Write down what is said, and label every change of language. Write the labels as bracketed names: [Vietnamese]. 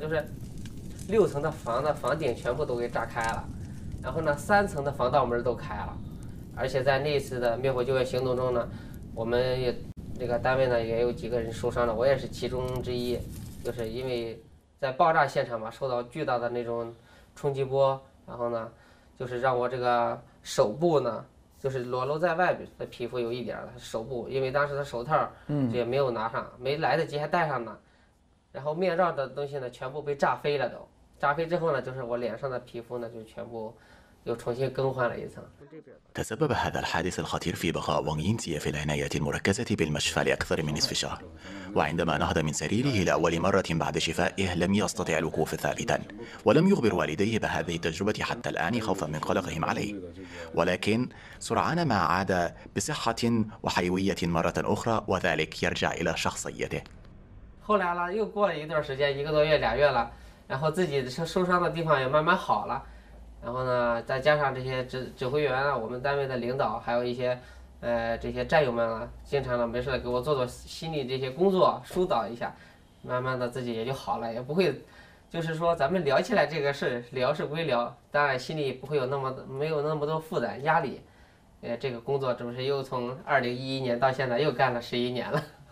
[Chinese] 就是6层的房顶全部都给炸开了，然后呢，3层的防盗门都开了，而且在那次的灭火救援行动中呢，我们也这个单位呢也有几个人受伤了，我也是其中之一，就是因为在爆炸现场嘛，受到巨大的那种冲击波，然后呢，就是让我这个手部呢。就是裸露在外边的皮肤有一点了，手部因为当时的手套就也没有拿上，没来得及还戴上呢，然后面罩的东西呢全部被炸飞了，都炸飞之后呢，就是我脸上的皮肤呢就全部又重新更换了一层。 [Arabic] تسبب هذا الحادث الخطير في بقاء وانغ ينجي في العناية المركزة بالمشفى لأكثر من نصف شهر، وعندما نهض من سريره لأول مرة بعد شفائه لم يستطع الوقوف ثابتا، ولم يخبر والديه بهذه التجربة حتى الآن خوفا من قلقهم عليه، ولكن سرعان ما عاد بصحة وحيوية مرة أخرى، وذلك يرجع إلى شخصيته. [Chinese] 后来了，又过了一段时间，一个多月、俩月了，然后自己受伤的地方也慢慢好了。然后呢，再加上这些指挥员啊，我们单位的领导，还有一些，这些战友们啊，经常呢没事的给我做心理这些工作，疏导一下，慢慢的自己也就好了，也不会，就是说咱们聊起来这个事，聊是归聊，当然心里不会有那么没有那么多负担压力，这个工作这不是又从2011年到现在又干了11年了，